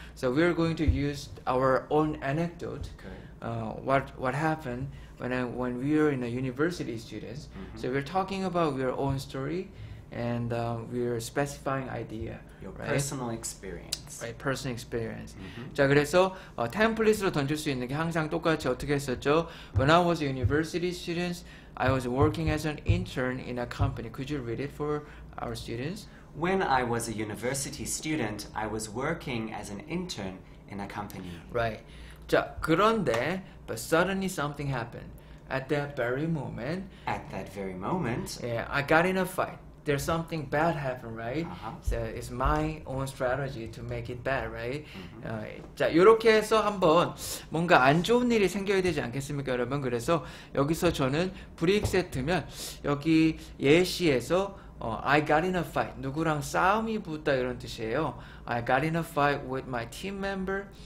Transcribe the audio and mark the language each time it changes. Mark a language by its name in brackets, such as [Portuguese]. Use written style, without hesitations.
[English] So we are going to use our own anecdote. Okay. What happened when we were in a university students. Mm-hmm. So we're talking about our own story and we're specifying idea. Your right? personal experience. Right, personal experience. Mm-hmm. [Korean] 자, 그래서 템플릿으로 던질 수 있는 게 항상 똑같이 어떻게 했었죠? [English] When I was a university student, I was working as an intern in a company. Could you read it for our students? When I was a university student, I was working as an intern in a company. Right. [Korean] 자, 그런데, [English] but suddenly something happened. At that very moment, yeah, I got in a fight. There's something bad happened, right? Uh-huh. So it's my own strategy to make it bad, right? Mm-hmm. [Korean] 자, 이렇게 해서 한번 뭔가 안 좋은 일이 생겨야 되지 않겠습니까, 여러분? 그래서 여기서 저는 브릭 세트면 여기 예시에서 [English] I got in a fight. [Korean] 누구랑 싸움이 붙다 이런 뜻이에요. [English] I got in a fight with my team member.